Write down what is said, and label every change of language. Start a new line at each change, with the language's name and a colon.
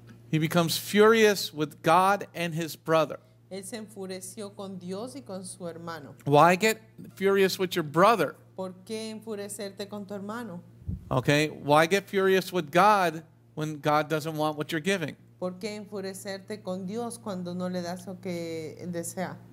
English: He becomes furious with God and his brother.
Spanish: Él se enfureció con Dios y con su hermano.
English: Why get furious with your brother?
Spanish: ¿Por qué enfurecerte con tu hermano?
English: Okay, why get furious with God when God doesn't want what you're giving?
Spanish: ¿Por qué enfurecerte con Dios cuando no le das lo que desea?